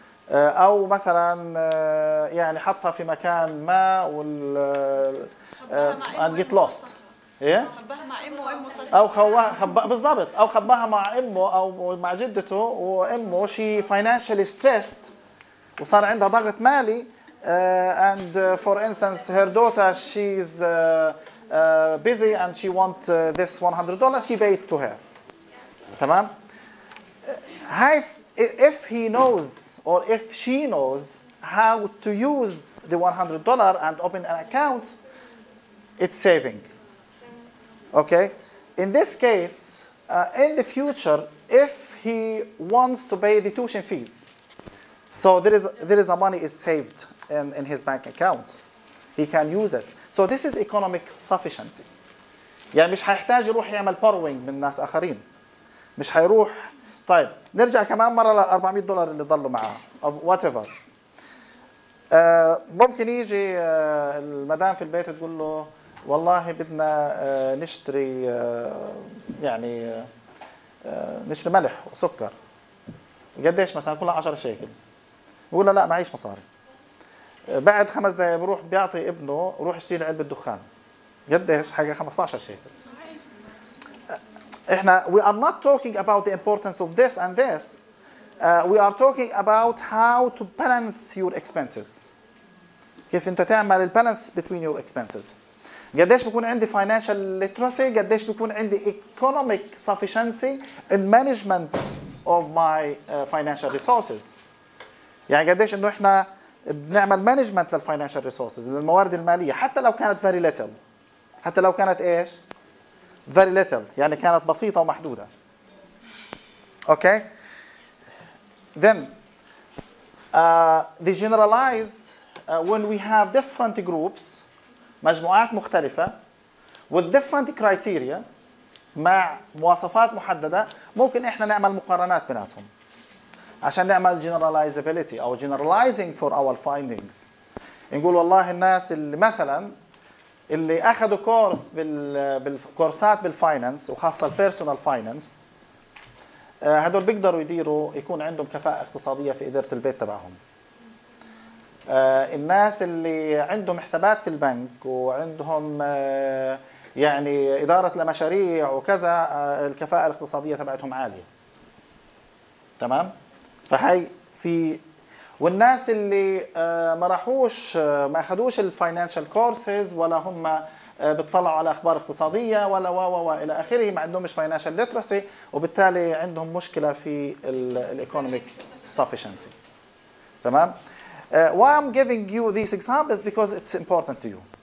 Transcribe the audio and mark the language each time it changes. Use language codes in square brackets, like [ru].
[ar] او مثلا يعني حطها في مكان ما وال [en] and get lost. [ar] ايه؟ خباها مع امه وامه صارت، او بالضبط، او خباها مع امه او مع جدته، وامه شي [en] financially stressed [ar] وصار عندها ضغط مالي. [en] And for instance her daughter she's busy and she wants this $100, she paid to her. [ar] تمام؟ هاي [en] if he knows or if she knows how to use the $100 and open an account, it's saving. Okay? In this case, in the future, if he wants to pay the tuition fees, so there is a money is saved in his bank account. He can use it. So this is economic sufficiency. [ar] يعني مش هيحتاج يروح يعمل borrowing من ناس آخرين. مش هيروح. طيب نرجع كمان مرة ل 400 دولار اللي ضلوا معاه. Whatever. ممكن يجي المدام في البيت تقول له والله بدنا نشتري يعني نشتري ملح وسكر. قديش مثلا؟ كلها 10 شيكل. بقول لا معيش مصاري. بعد خمس دقائق بروح بيعطي ابنه روح اشتري علبه دخان. قديش حاجة 15 شيكل. إحنا [en] we are not talking about the importance of this and this. We are talking about how to balance your expenses. [ar] كيف أنت تعمل ال [en] balance between your expenses. [ar] قديش بكون عندي [en] financial literacy, قديش بكون عندي economic sufficiency in management of my financial resources. [ar] يعني قديش إنه إحنا بنعمل management لل financial resources, للموارد المالية, حتى لو كانت [en] very little. [ar] حتى لو كانت إيش؟ [en] very little, [ar] يعني كانت بسيطة ومحدودة. [en] Okay? Then, they generalize when we have different groups, [ar] مجموعات مختلفة, [en] with different criteria, [ar] مع مواصفات محددة, ممكن إحنا نعمل مقارنات بيناتهم. عشان نعمل generalizability أو [en] generalizing for our findings. [ar] نقول والله الناس اللي مثلاً اللي أخذوا كورس بالكورسات بالفاينانس وخاصة البيرسونال فاينانس هدول بيقدروا يديروا يكون عندهم كفاءة اقتصادية في إدارة البيت تبعهم. الناس اللي عندهم حسابات في البنك وعندهم يعني إدارة لمشاريع وكذا الكفاءة الاقتصادية تبعتهم عالية. تمام؟ فهي في والناس اللي ما راحوش ما اخذوش الفاينانشال كورسز ولا هم بتطلعوا على اخبار اقتصاديه ولا و الى اخره ما عندهمش فاينانشال ليترسي وبالتالي عندهم مشكله في الايكونوميك سافيشنسي. تمام. [en] Why I'm giving you these examples because it's important to you.